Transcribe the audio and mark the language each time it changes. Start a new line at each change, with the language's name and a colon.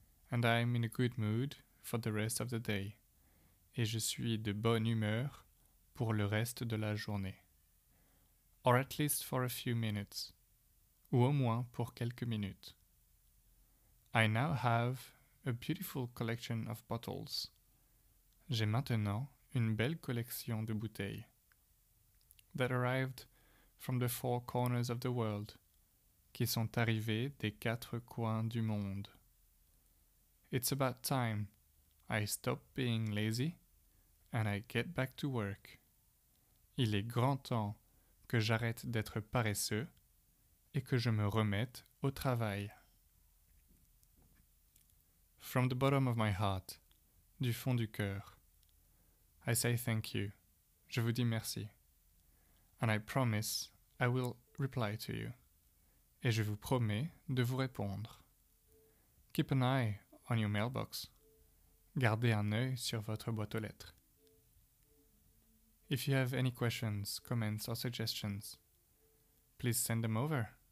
English: And I am in a good mood for the rest of the day.
French: Et je suis de bonne humeur pour le reste de la journée.
English: Or at least for a few minutes.
French: Ou au moins pour quelques minutes.
English: I now have a beautiful collection of bottles.
French: J'ai maintenant une belle collection de bouteilles.
English: That arrived from the four corners of the world.
French: Qui sont arrivées des quatre coins du monde.
English: It's about time I stop being lazy and I get back to work.
French: Il est grand temps que j'arrête d'être paresseux et que je me remette au travail.
English: From the bottom of my heart,
French: du fond du cœur,
English: I say thank you,
French: je vous dis merci,
English: and I promise I will reply to you.
French: Et je vous promets de vous répondre.
English: Keep an eye on your mailbox.
French: Gardez un œil sur votre boîte aux lettres.
English: If you have any questions, comments or suggestions, please send them over.